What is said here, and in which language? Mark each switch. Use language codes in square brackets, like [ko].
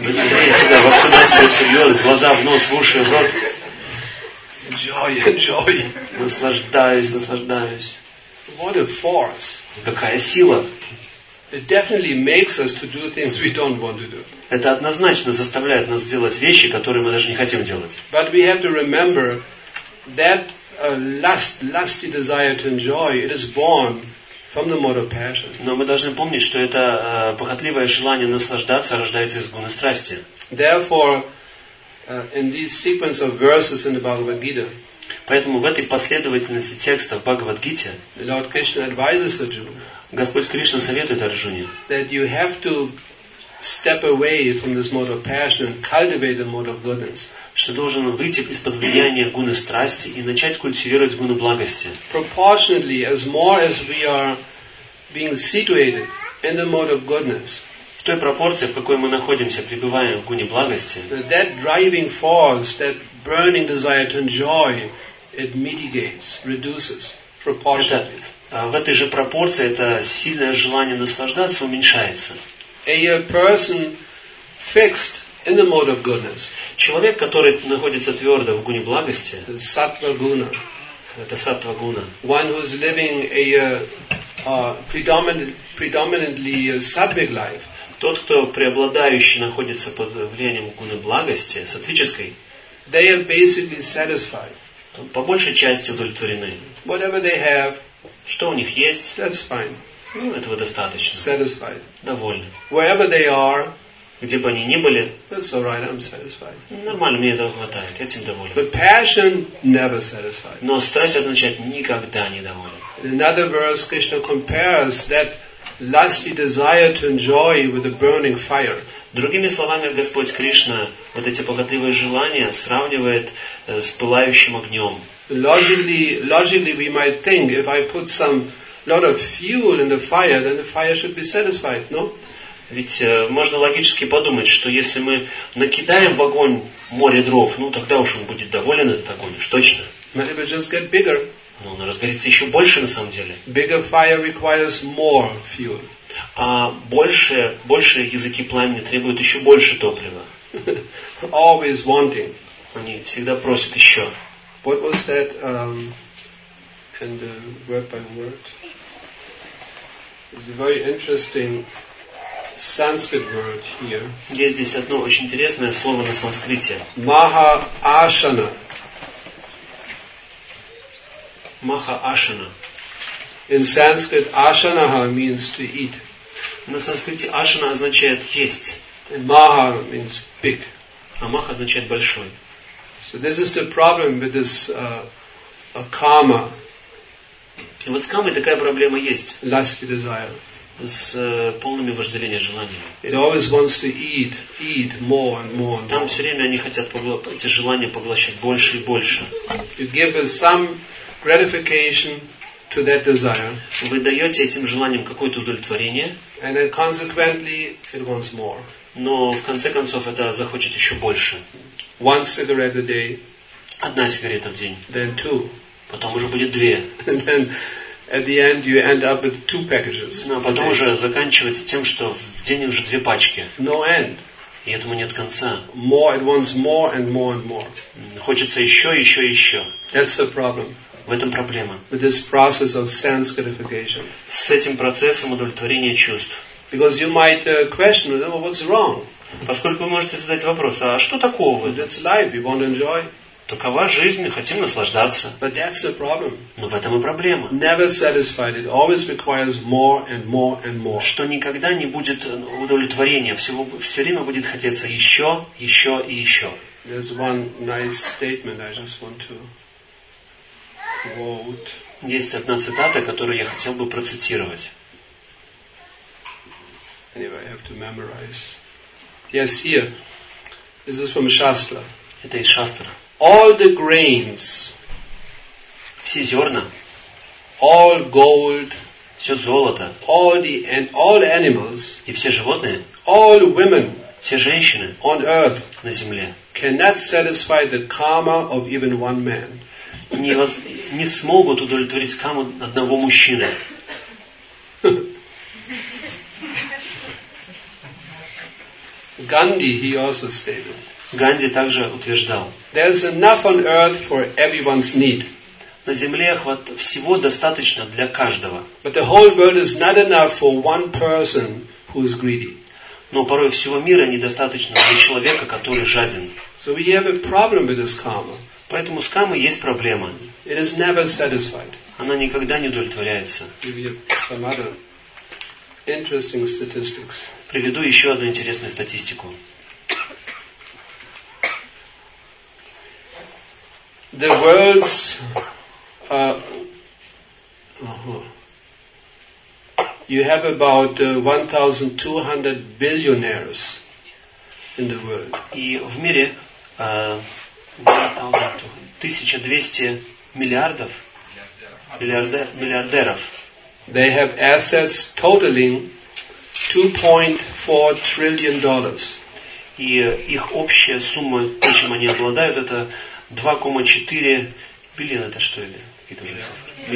[ru] Сюда, во всю нас себе сует, глаза в нос, в уши, в рот. [en] Enjoy, enjoy. [ru] Наслаждаюсь, наслаждаюсь. [en] What a force. [ru] Какая сила. [en] It definitely makes us to do things we don't want to do. [ru] Это однозначно заставляет нас делать вещи, которые мы даже не хотим делать. [en] But we have to remember that lusty desire to enjoy it is born from the mode of passion. [ru] Но мы должны помнить, что это похотливое желание наслаждаться рождается из гуны страсти. [en] Therefore, in this sequence of verses in the Bhagavad Gita. [ru] Поэтому в этой последовательности текстов Бхагавад Гите. [en] Lord Krishna advises Arjuna. [ru] Господь Кришна советует Арджуне, [en] that you have to step away from this mode of passion and cultivate the mode of goodness. [ru] Что должен выйти из-под влияния гуны страсти и начать культивировать гуну благости. [en] Proportionately, as more as we are being situated in the mode of goodness. [ru] В той пропорции, в какой мы находимся, пребываем в гуне благости. [en] That driving force, that burning desire to enjoy, it mitigates, reduces proportionally. [ru] В этой же пропорции это сильное желание наслаждаться уменьшается. [en] A person fixed in the mode of goodness. [ru] Человек, который находится твердо в гуне благости. Саттва-гуна. Это саттва-гуна. [en] One who is living a predominantly sattvic life. [ru] Тот, кто преобладающий находится под влиянием гуны благости, саттвической. [en] They are basically satisfied. [ru] По большей части удовлетворены. [en] Whatever they have. [ru] Что у них есть? [en] That's fine. [ru] Ну, этого достаточно. [en] Satisfied. [ru] Довольны. [en] Wherever they are, [ru] где бы они ни были, [en] that's all right, I'm satisfied. [ru] Нормально, мне этого хватает, я этим доволен. [en] But passion never satisfied. [ru] Но страсть означает никогда не доволен. [en] In another verse, Krishna compares that lusty desire to enjoy with a burning fire. [ru] Другими словами, Господь Кришна вот эти похотливые желания сравнивает с пылающим огнем. [en] Logically, we might think if I put some lot of fuel in the fire, then the fire should be satisfied, no? [ru] Ведь можно логически подумать, что если мы накидаем в огонь море дров, ну тогда уж он будет доволен этот огонь, уж точно. [en] But it will just get bigger. [ru] Но он разгорится еще больше на самом деле. [en] Bigger fire requires more fuel. [ru] А большие языки пламени требуют еще больше топлива. [en] Always wanting. [ru] Они всегда просят еще. [en] What was that in the word by word? It's a very interesting Sanskrit word here. [ru] Есть здесь одно очень интересное слово на санскрите. [sa] Maha-ashana. Maha-ashana. [en] In Sanskrit, ashanaha means to eat. [ru] На санскрите ashana означает есть. [en] And maha means big. [ru] А maha означает большой. [en] So this is the problem with this karma. [ru] И вот с кармой такая проблема есть. [en] Lusty desire. [ru] с полными вожделения желаниями. [en] It always wants to eat more and more. [ru] Там все время они хотят эти желания поглощать больше и больше. [en] You give us some gratification to that desire. [ru] Вы даете этим желаниям какое-то удовлетворение. [en] And then consequently, it wants more. [ru] Но в конце концов это захочет еще больше. [en] One cigarette a day. [ru] Одна сигарета в день. [en] Then two. [ru] Потом уже будет две. [en] And then at the end you end up with two packages. [ru] Но потом уже заканчивается тем, что в день уже две пачки. [en] No end. [ru] И этому нет конца. [en] More, it wants more and more and more. [ru] Хочется еще, еще, еще. [en] That's the problem. [ru] В этом проблема. [en] With this process of sense gratification. [ru] С этим процессом удовлетворения чувств. [en] Because you might question, well, what's wrong? [ru] Поскольку вы можете задать вопрос, а что такого? [en] Well, that's life. We want to enjoy. [ru] Такова жизнь, мы хотим наслаждаться. [en] But that's the problem. [ru] Но в этом и проблема. [en] Never satisfied. It always requires more and more and more. [ru] Что никогда не будет удовлетворения, все время будет хотеться еще, еще и еще. [en] There's one nice statement I just want to quote. [ru] Есть одна цитата, которую я хотел бы процитировать. [en] Anyway, I have to memorize. Yes, here. This is from Shastra. [ru] Это из Шастры. [en] All the grains, [ru] все зерна, [en] all gold, [ru] все золото, [en] all the and all animals, [ru] и все животные, [en] all women, [ru] все женщины, [en] on earth, [ru] на земле, [en] cannot satisfy the karma of even one man. [ru] Не смогут удовлетворить карму одного мужчины. [en] Ганди, he also stated. [ru] Ганди также утверждал. [en] There's enough on earth for everyone's need. [ru] На земле всего достаточно для каждого. [en] But the whole world is not enough for one person who is greedy. [ru] Но порой всего мира недостаточно для человека, который жаден. [en] So we have a problem with this karma. [ru] Поэтому с кармой есть проблема. [en] It is never satisfied. [ru] Она никогда не удовлетворяется. [en] Some other interesting statistics. [ru] Приведу еще одну интересную статистику. [en] The world's you have about 1,200 billionaires in the world. [ru] И в мире 1,200 миллиардов миллиардеров. [en] They have assets totaling $2.4 trillion. [ru] И их общая сумма, то, чем они обладают, это 2,4 биллион, это что ли? Какие-то уже цифры.